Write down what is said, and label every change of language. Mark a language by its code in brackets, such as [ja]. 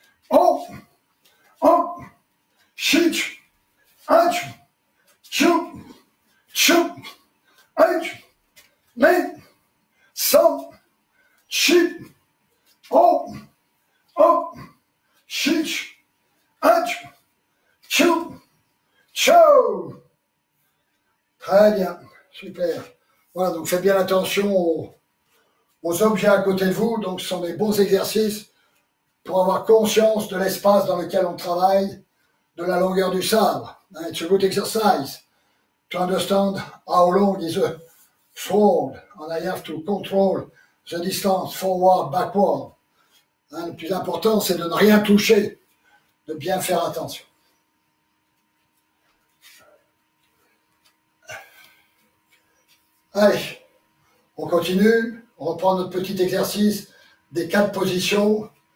[fr] Om, Op, Chich, Aïch, Chu, Chu, Aïch, Nain, Sam, Chi, Om, Op, Chich, Aïch, Chu, Chu. Très bien, super. Voilà, donc faites bien attention aux objets à côté de vous. Donc, ce sont des bons exercices pour avoir conscience de l'espace dans lequel on travaille, de la longueur du sabre. [en] It's a good exercise to understand how long is a fold. And I have to control the distance forward, backward. [fr] Le plus important, c'est de ne rien toucher, de bien faire attention. Allez, on continue, on reprend notre petit exercice des quatre positions.